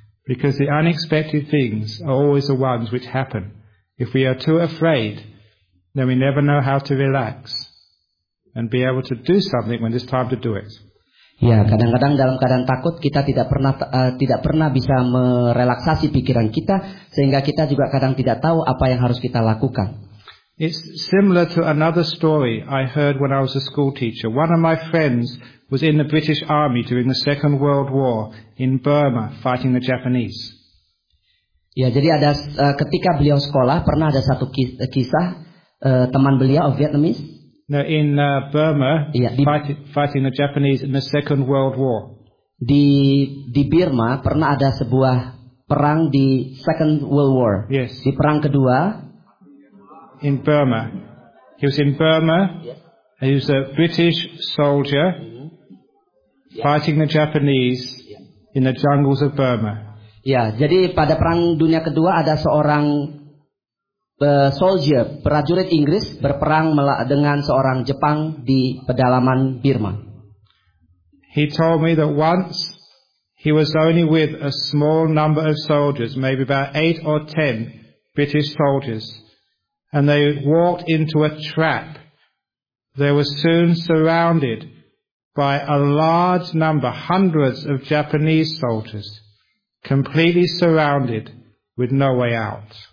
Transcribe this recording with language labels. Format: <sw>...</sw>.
<en>Because the unexpected things are always the ones which happen. If we are too afraid, then we never know how to relax and be able to do something when it's time to do it.</en> <id>Ya, kadang-kadang dalam keadaan takut kita tidak pernah bisa merelaksasi pikiran kita, sehingga kita juga kadang tidak tahu apa yang harus kita lakukan.</id> <en>It's similar to another story I heard when I was a school teacher. One of my friends was in the British Army during the Second World War in Burma fighting the Japanese.</en> <id>Ya, jadi ada ketika beliau sekolah pernah ada satu kisah teman beliau</id> <en>of Vietnamese. Now in Burma,</en> <id>ya,</id> <en>fighting the Japanese in the Second World War.</en> <id>Di Burma pernah ada sebuah perang di Second World War.</id> <en>Yes.</en> <id>Di perang kedua.</id> <en>In Burma. He was in Burma. Yes. He was a British soldier fighting the Japanese in the jungles of Burma.</en> <id>Ya, jadi pada perang dunia kedua ada seorang soldier, prajurit Inggris berperang dengan seorang Jepang di pedalaman Burma.</id> <en>He told me that once he was only with a small number of soldiers, maybe about 8 or 10 British soldiers, and they walked into a trap. They were soon surrounded by a large number, hundreds of Japanese soldiers, completely surrounded with no way out.</en>